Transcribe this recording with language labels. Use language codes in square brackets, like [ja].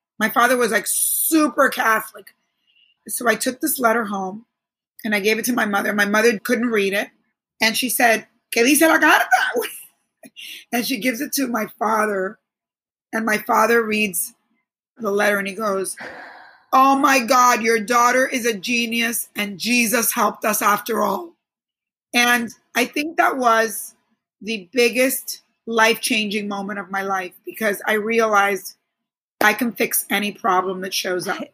[en] My father was like super Catholic. So I took this letter home and I gave it to my mother. My mother couldn't read it. And she said, [es] ¿qué dice la carta? [en] And she gives it to my father. And my father reads the letter and he goes, oh my God, your daughter is a genius and Jesus helped us after all. And I think that was the biggest life-changing moment of my life because I realized I can fix any problem that shows up.